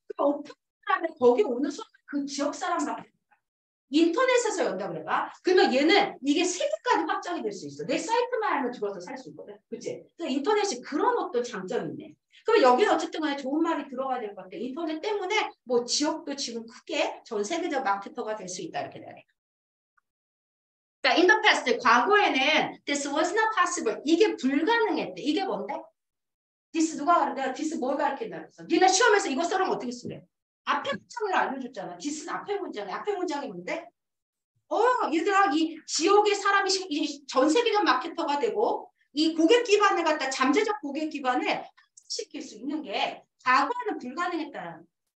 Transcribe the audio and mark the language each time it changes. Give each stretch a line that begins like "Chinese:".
Korean: 오픈하면 거기 오는 순간 그 지역 사람밖에 인터넷에서 연다 그래봐. 그러면 얘는 이게 세계까지 확장이 될 수 있어. 내 사이트만 하면 들어서 살 수 있거든. 그치? 그러니까 인터넷이 그런 어떤 장점이 있네. 그럼 여기는 어쨌든 간에 좋은 말이 들어가야 될 것 같아. 인터넷 때문에 뭐 지역도 지금 크게 전 세계적 마케터가 될 수 있다. 이렇게 되네.
English: 자, in the past,
Korean: 과거에는
English: this was not possible.
Korean: 이게 불가능했대. 이게 뭔데? this 누가 가르쳐? 내가 this 뭘 가르쳐? 니네 시험에서 이거 써라면 어떻게 쓰래? 앞에 문장을 알려줬잖아. 디스는 앞에 문장이야. 앞에 문장이 뭔데? 얘들아, 이 지역의 사람이 전 세계적 마케터가 되고 이 고객 기반을 갖다 잠재적 고객 기반을 시킬 수 있는 게 과거에는 불가능했다는.